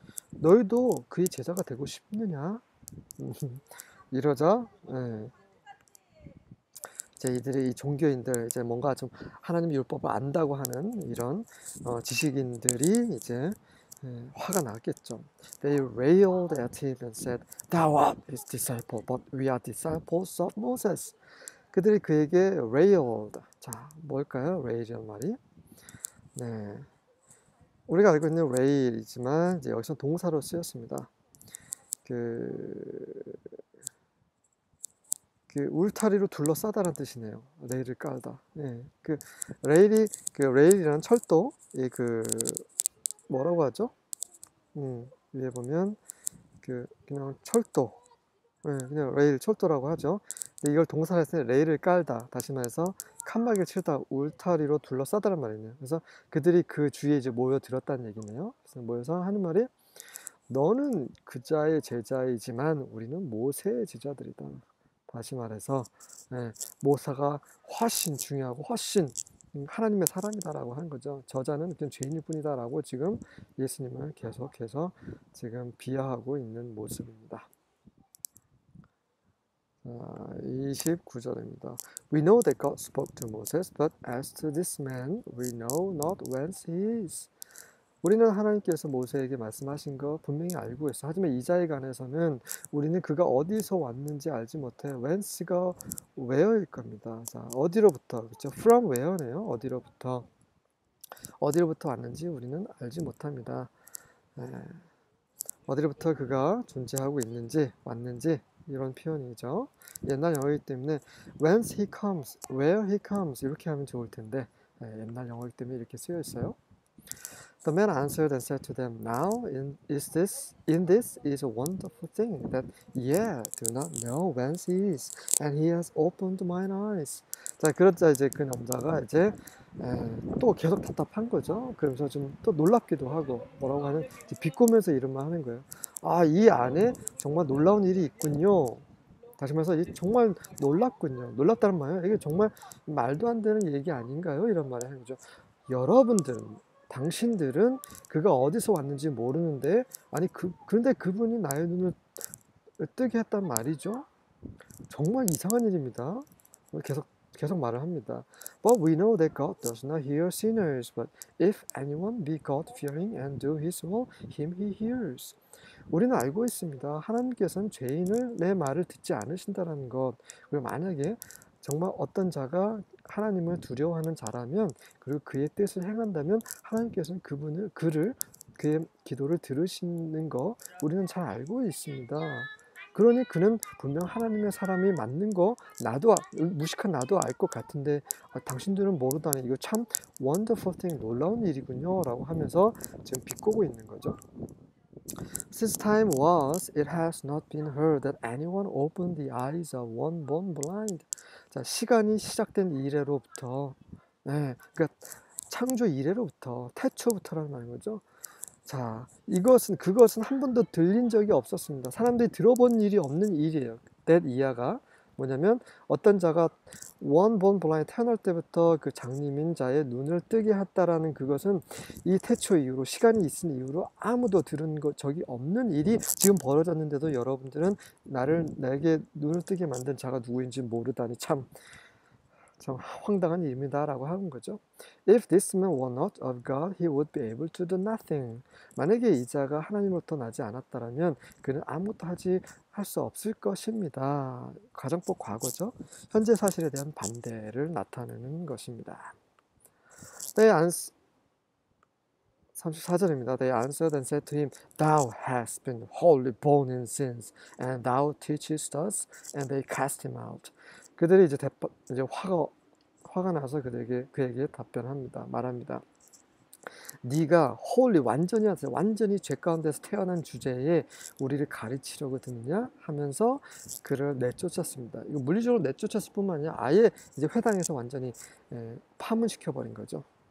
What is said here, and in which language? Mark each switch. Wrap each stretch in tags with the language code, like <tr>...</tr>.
<ko>너희도 그의 제자가 되고 싶느냐. 이러자. 네. 이들이 이 종교인들 이제 뭔가 좀 하나님 율법을 안다고 하는 이런 지식인들이 이제 화가 났겠죠.</ko> <en>They railed at him and said, "Thou art his disciple, but we are disciples of Moses."</en> <ko>그들이 그에게 railed. 자, 뭘까요? rail이란 말이? 네, 우리가 알고 있는 rail이지만 이제 여기서 동사로 쓰였습니다. 그 울타리로 둘러싸다란 뜻이네요. 레일을 깔다. 예. 레일이란 철도, 이 뭐라고 하죠? 위에 보면 그냥 철도, 예, 그냥 레일 철도라고 하죠. 근데 이걸 동사로 했을 때 레일을 깔다, 다시 말해서 칸막이를 치르다, 울타리로 둘러싸다란 말이네요. 그래서 그들이 그 주위에 이제 모여들었다는 얘기네요. 그래서 모여서 하는 말이, 너는 그자의 제자이지만 우리는 모세의 제자들이다. 다시 말해서, 네, 모사가 훨씬 중요하고 훨씬 하나님의 사람이다라고 한 거죠. 저자는 그냥 죄인일 뿐이다라고 지금 예수님을 계속해서 지금 비하하고 있는 모습입니다. 29절입니다.</ko> <en>We know that God spoke to Moses, but as to this man, we know not whence he is.</en> <ko>우리는 하나님께서 모세에게 말씀하신 거 분명히 알고 있어. 하지만 이 자에 관해서는 우리는 그가 어디서 왔는지 알지 못해. Whence가 where일 겁니다. 자, 어디로부터, 그렇죠?</ko> <en>From where</en> <ko>네요. 어디로부터. 어디로부터 왔는지 우리는 알지 못합니다. 네. 어디로부터 그가 존재하고 있는지, 왔는지 이런 표현이죠. 옛날 영어이기 때문에</ko> <en>Whence he comes, where he comes</en> <ko>이렇게 하면 좋을 텐데 네, 옛날 영어이기 때문에 이렇게 쓰여 있어요.</ko> <en>The man answered and said to them, Now in this is a wonderful thing that ye do not know whence he is, and he has opened mine eyes.</en> <ko>자, 그러자 이제 그 남자가 이제 또 계속 답답한 거죠. 그러면서 좀또 놀랍기도 하고, 뭐라고 하는, 이제 비꼬면서 이런 말 하는 거예요. 아, 이 안에 정말 놀라운 일이 있군요. 다시 말해서, 정말 놀랍군요. 놀랍다는 말이에요. 이게 정말 말도 안 되는 얘기 아닌가요? 이런 말을 하는 거죠. 여러분들은, 당신들은 그가 어디서 왔는지 모르는데, 아니, 그런데 그분이 나의 눈을 뜨게 했단 말이죠? 정말 이상한 일입니다. 계속 말을 합니다.</ko> <en>But we know that God does not hear sinners, but if anyone be God fearing and do his will, him he hears.</en> <ko>우리는 알고 있습니다. 하나님께서는 죄인을 내 말을 듣지 않으신다는 것. 그리고 만약에 정말 어떤 자가 하나님을 두려워하는 자라면, 그리고 그의 뜻을 행한다면 하나님께서는 그분을 그를 그의 기도를 들으시는 거 우리는 잘 알고 있습니다. 그러니 그는 분명 하나님의 사람이 맞는 거 나도 무식한 나도 알 것 같은데 당신들은 모르다니 이거 참</ko> <en>wonderful thing</en> <ko>놀라운 일이군요 라고 하면서 지금 비꼬고 있는 거죠.</ko> <en>Since time was, it has not been heard that anyone opened the eyes of one born blind.</en> <ko>자, 시간이 시작된 이래로부터, 네, 그러니까 창조 이래로부터, 태초부터라는 말인 거죠. 자, 이것은 그것은 한 번도 들린 적이 없었습니다. 사람들이 들어본 일이 없는 일이에요. That 이하가 뭐냐면 어떤 자가</ko> <en>one born blind</en> <ko>태어날 때부터 그 장님인 자의 눈을 뜨게 했다라는 그것은 이 태초 이후로 시간이 있은 이후로 아무도 들은 적이 없는 일이 지금 벌어졌는데도 여러분들은 나를 내게 눈을 뜨게 만든 자가 누구인지 모르다니 참. 참 황당한 일입니다 라고 하는 거죠.</ko> <en>If this man were not of God, he would be able to do nothing.</en> <ko>만약에 이 자가 하나님으로부터 나지 않았다면 그는 아무것도 하지 할 수 없을 것입니다. 가정법 과거죠. 현재 사실에 대한 반대를 나타내는 것입니다.</ko> <en>They answer, 34절입니다. They answered and said to him, Thou hast been wholly born in sins, and thou teachest us, and they cast him out.</en> <ko>그들이 이제 화가 나서 그에게 답변합니다. 말합니다. 네가 홀리 완전히 하세요. 완전히 죄 가운데서 태어난 주제에 우리를 가르치려고 듣느냐 하면서 그를 내쫓았습니다. 이거 물리적으로 내쫓았을 뿐만 아니라 아예 이제 회당에서 완전히 파문시켜 버린 거죠.</ko>